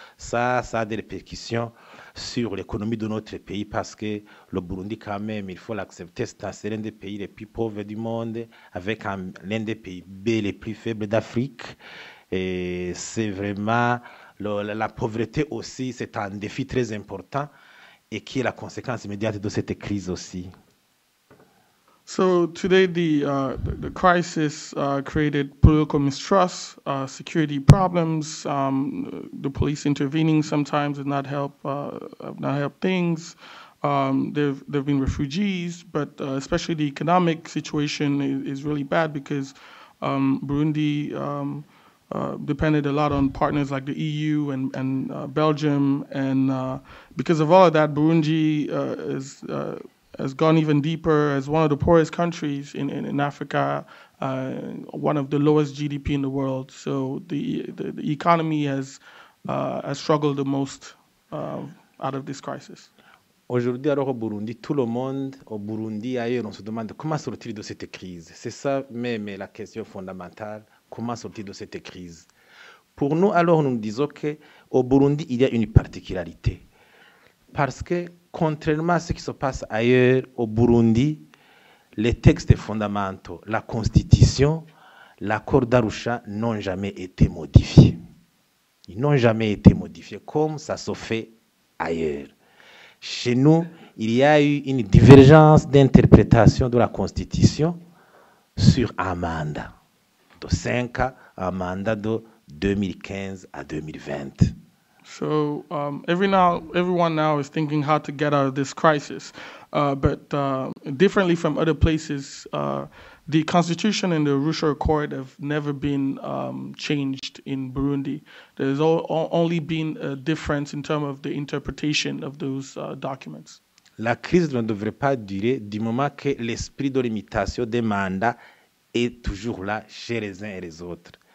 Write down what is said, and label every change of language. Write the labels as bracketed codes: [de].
[fr] Ça a des répercussions sur l'économie de notre pays parce que le Burundi, quand même, il faut l'accepter, c'est l'un des pays les plus pauvres du monde, avec l'un des PIB les plus faibles d'Afrique. Et c'est vraiment la pauvreté aussi, c'est un défi très important et qui est la conséquence immédiate de cette crise aussi. [en] So today, the crisis created political mistrust, security problems, the police intervening sometimes did not help things. There've been refugees, but especially the economic situation is really bad because Burundi depended a lot on partners like the EU and Belgium, and because of all of that, Burundi has gone even deeper as one of the poorest countries in Africa, one of the lowest GDP in the world. So the economy has struggled the most out of this crisis. [fr] Aujourd'hui, alors au Burundi, tout le monde, au Burundi, ailleurs, on se demande comment sortir de cette crise. C'est ça même la question fondamentale, comment sortir de cette crise. Pour nous, alors, nous disons qu'au Burundi, il y a une particularité. Parce que, contrairement à ce qui se passe ailleurs, au Burundi, les textes fondamentaux, la Constitution, l'accord d'Arusha n'ont jamais été modifiés. Ils n'ont jamais été modifiés comme ça se fait ailleurs. Chez nous, il y a eu une divergence d'interprétation de la Constitution sur un mandat de 5 ans, un mandat de 2015 à 2020. [en] So everyone now is thinking how to get out of this crisis. But differently from other places, the constitution and the Arusha Accord have never been changed in Burundi. There's only been a difference in terms of the interpretation of those documents. [fr] La crise ne devrait pas durer du moment que l'esprit de limitation des mandats est toujours là chez les uns et les autres.